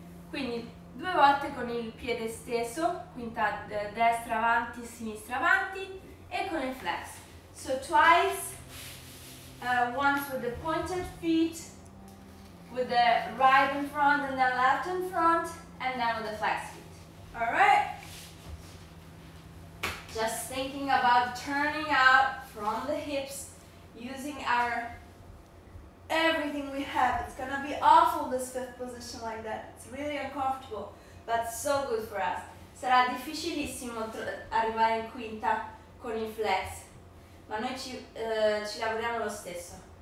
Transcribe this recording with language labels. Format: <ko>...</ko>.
<it>Quindi due volte con il piede steso, quinta destra avanti, sinistra avanti e con il flex.</it> <en>So twice, once with the pointed feet, with the right in front and then left in front, and then with the flex feet, alright? Just thinking about turning out from the hips, using our everything we have. It's gonna be awful this fifth position like that. It's really uncomfortable, but so good for us.</en> <it>Sarà difficilissimo arrivare in quinta con il flex, ma noi ci lavoriamo lo stesso.</it>